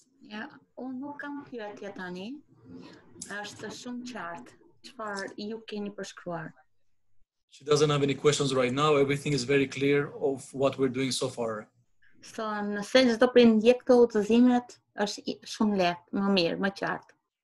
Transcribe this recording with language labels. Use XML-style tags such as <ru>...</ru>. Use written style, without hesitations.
<sq>Yeah, unë nuk kam pyetje tani. Është shumë qartë. Çfarë ju keni përshkruar?</sq> <en>She doesn't have any questions right now. Everything is very clear of what we're doing so far.</en> <sq>So, nëse çdo prindje këto udhëzimet është shumë lehtë, më mirë, më qartë.</sq>